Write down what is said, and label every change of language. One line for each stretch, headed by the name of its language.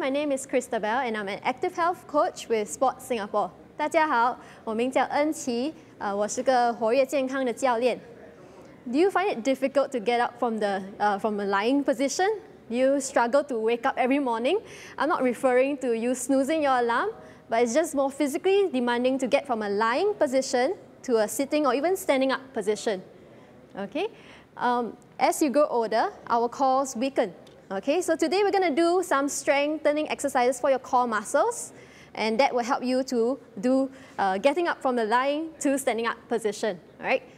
English: My name is Christabelle, and I'm an Active Health Coach with Sport Singapore.
Chinese: 大家好，我名叫恩琪，我是个活跃健康的教练。
English: Do you find it difficult to get up from a lying position? Do you struggle to wake up every morning? I'm not referring to you snoozing your alarm, but it's just more physically demanding to get from a lying position to a sitting or even standing up position. Okay? As you grow older, our cores weaken. Okay, so today we're going to do some strengthening exercises for your core muscles, and that will help you to do getting up from the lying to standing up position. All right?